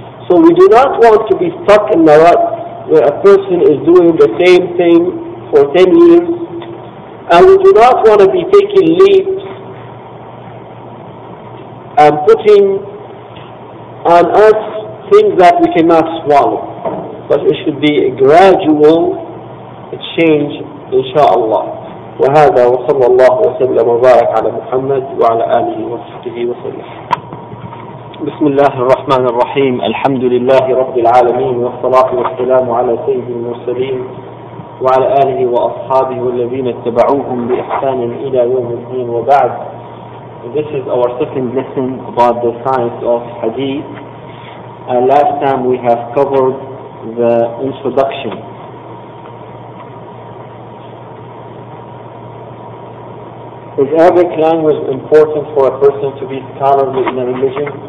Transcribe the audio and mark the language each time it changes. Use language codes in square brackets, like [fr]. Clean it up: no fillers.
[en] So we do not want to be stuck in the rut where a person is doing the same thing for 10 years. And we do not want to be taking leaps and putting on us things that we cannot swallow. But it should be a gradual change, inshallah. [ar] وهذا وصلى الله وسلم وبارك على محمد وعلى آله وصحبه وسلم. بسم الله الرحمن الرحيم. الحمد لله رب العالمين والصلاة والسلام على سيد المرسلين وعلى آله وأصحابه والذين اتبعوهم بإحسان إلى يوم الدين. [en] وبعد, this is our second lesson about the science of hadith. Last time we have covered the introduction. Is Arabic language important for a person to be scholarly in a religion?